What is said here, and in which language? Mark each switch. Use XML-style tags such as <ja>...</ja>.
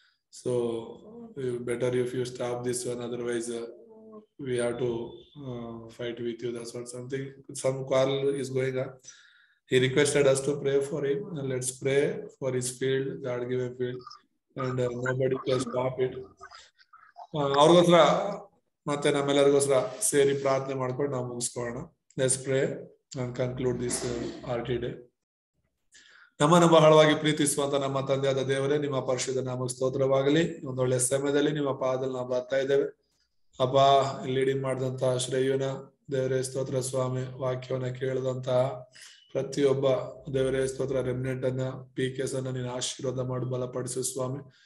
<en>So better if you stop this one, otherwise we have to fight with you. That's what something, some quarrel is going on. He requested us to pray for him and let's pray for his field, God give him field, and nobody can stop it.</en> <kn>ಅವ್ರಿಗೋಸ್ಕರ ಮತ್ತೆ ನಮ್ಮೆಲ್ಲರಿಗೋಸ್ಕರ ಸೇರಿ ಪ್ರಾರ್ಥನೆ ಮಾಡ್ಕೊಂಡು ನಾವು ಮುಗಿಸ್ಕೊಳ್ಳೋಣ.</kn> <en>Let's pray and conclude this RTD.</en> <kn>ನಮ್ಮನ್ನು ಬಹಳವಾಗಿ ಪ್ರೀತಿಸುವಂತ ನಮ್ಮ ತಂದೆಯಾದ ದೇವರೇ, ನಿಮ್ಮ ಪರಿಶುದ್ಧ ನಾಮಕ್ಕೆ ಸ್ತೋತ್ರವಾಗಲಿ. ಒಂದೊಳ್ಳೆ ಸಮಯದಲ್ಲಿ ನಿಮ್ಮ ಪಾದದಲ್ಲಿ ನಾವು ಬರ್ತಾ ಇದ್ದೇವೆ ಅಪ್ಪ. ಲೀಡಿಂಗ್ ಮಾಡಿದಂತ ಶ್ರೇಯುನ ದೇವರೇ ಸ್ತೋತ್ರ ಸ್ವಾಮಿ, ವಾಕ್ಯವನ್ನ ಕೇಳಿದಂತಹ ಪ್ರತಿಯೊಬ್ಬ ದೇವರೇ ಸ್ತೋತ್ರ ರೆಮ್ನೆಂಟ್ ಅನ್ನ ಪಿ ಕೆಸ್ ಅನ್ನ ನೀನು ಆಶೀರ್ವಾದ ಮಾಡಿ ಬಲಪಡಿಸು ಸ್ವಾಮಿ.</kn>